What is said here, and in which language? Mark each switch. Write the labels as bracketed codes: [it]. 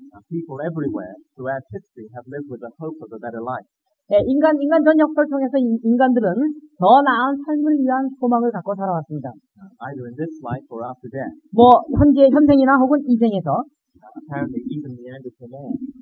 [en] people everywhere throughout history have lived with the hope of a better life. [ko] 예, 인간 전 역사를 통해서 인간들은 더 나은 삶을 위한 소망을 갖고 살아왔습니다. [en] Either in this life or after death. [ko] 뭐 현생이나 혹은 이생에서. [en] Apparently even the end of the world.